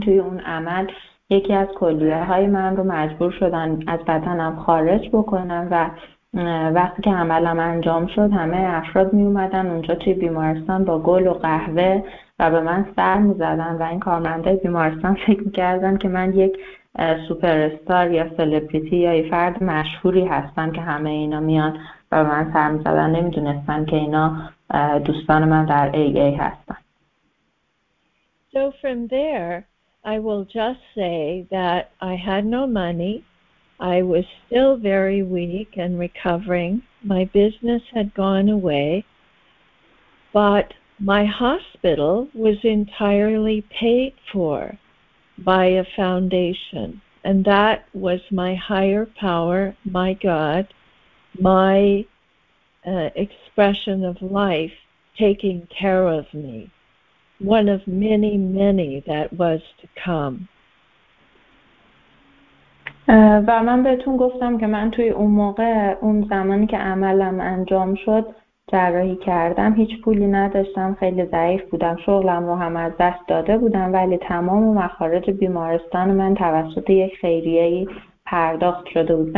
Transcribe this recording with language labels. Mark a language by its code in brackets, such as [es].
[fa] توی اون عمل یکی از کلیه های من رو مجبور شدن از بدنم خارج بکنم و وقتی که عملم انجام شد همه افراد می اومدن اونجا توی بیمارستان با گل و قهوه و به من سر می زدن و این کارمنده بیمارستان فکر می کردن که من یک سوپر استار یا سلبریتی یا یه فرد مشهوری هستم که همه اینا میان و به من سر می زدن نمی دونستن که اینا دوستان من در AA هستن. [en] So from there I will just say that I had no money. I was still very weak and recovering. My business had gone away. But my hospital was entirely paid for by a foundation. And that was my higher power, my God, my expression of life taking care of me. One of many, many that was to come. [fa] و من بهتون گفتم که من توی اون موقع اون زمانی که عملم انجام شد جراحی کردم هیچ پولی نداشتم خیلی ضعیف بودم شغلم رو هم از دست داده بودم ولی تمام مخارج بیمارستان من توسط یک خیریه‌ای پرداخت شده بود.